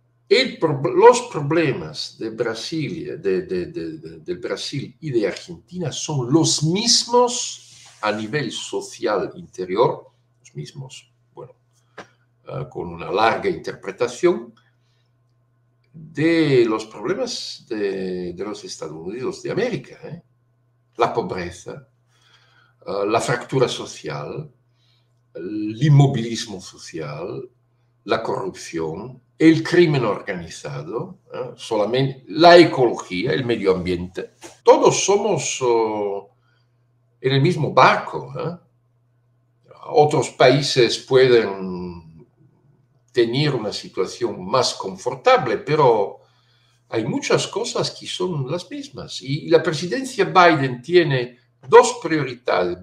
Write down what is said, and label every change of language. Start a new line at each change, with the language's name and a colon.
Spanish: Los problemas de Brasil, del Brasil y de Argentina son los mismos a nivel social interior, los mismos, bueno, con una larga interpretación, de los problemas de los Estados Unidos de América, ¿eh? la pobreza,
Italian: la frattura sociale, l'immobilismo sociale, la corruzione e il crimine organizzato, solamente la ecologia, il medio ambiente.
Spanish: Todos somos en el mismo barco. Otros países pueden tener una situación más confortable, pero hay muchas cosas que son las mismas. Y la presidencia Biden tiene dos prioridades.